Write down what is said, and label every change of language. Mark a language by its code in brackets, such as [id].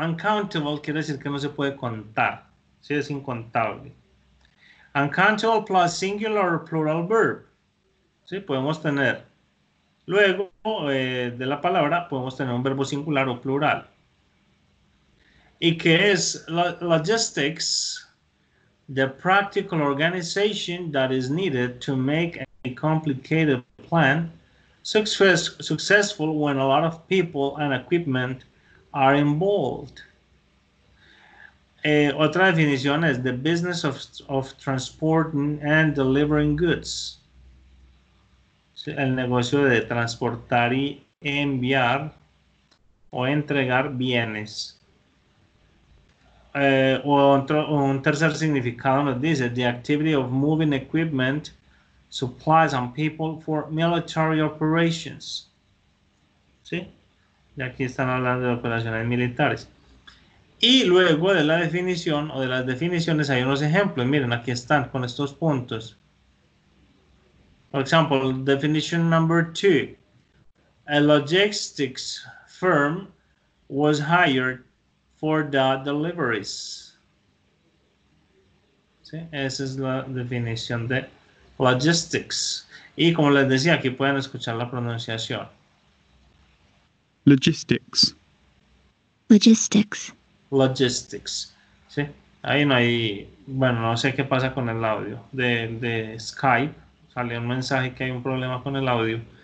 [es] Uncountable quiere decir que no se puede contar. ¿Sí? Es incontable. [en] Uncountable plus singular or plural verb. [es] ¿Sí? Podemos tener. Luego de la palabra, podemos tener un verbo singular o plural. ¿Y qué es logistics? [en] The practical organization that is needed to make a complicated plan successful when a lot of people and equipment are involved. [es] Otra definición es [en] the business of transporting and delivering goods. [es] ¿Sí? El negocio de transportar y enviar o entregar bienes. Un tercer significado nos dice [en] the activity of moving equipment, supplies and people for military operations. [es] ¿Sí? Y aquí están hablando de operaciones militares. Y luego de la definición o de las definiciones hay unos ejemplos. Miren, aquí están con estos puntos. Por ejemplo, [en] definition number two. A logistics firm was hired for the deliveries. [es] ¿Sí? Esa es la definición de logistics. Y como les decía, aquí pueden escuchar la pronunciación. [en] Logistics. Logistics. [es] Logistics, ¿sí? Ahí no hay, bueno, no sé qué pasa con el audio de Skype. Salió un mensaje que hay un problema con el audio.